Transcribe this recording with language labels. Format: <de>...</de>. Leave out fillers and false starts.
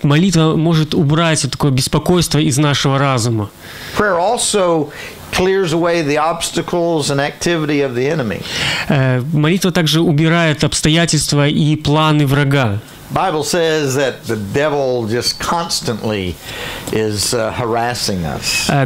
<ru>Молитва может убрать такое беспокойство из нашего разума.</ru> <en>Prayer also clears away the obstacles and activity of the enemy.</en> <ru>Молитва также убирает обстоятельства и планы врага.</ru> <en>Bible says that the devil just constantly is harassing us.</en>